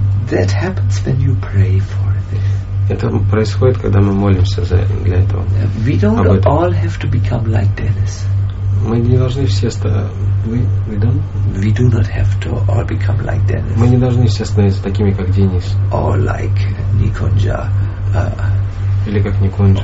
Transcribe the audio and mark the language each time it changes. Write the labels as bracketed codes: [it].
[en] That happens when you pray for this. [ru] Это происходит, когда мы молимся для этого. [en] We don't all have to become like Dennis. [ru] Мы не должны все [en] We do not have to all become like Dennis. [ru] Мы не должны все становиться такими, как Денис. [en] Or like Nikunja. [ru] Или как Nikunja.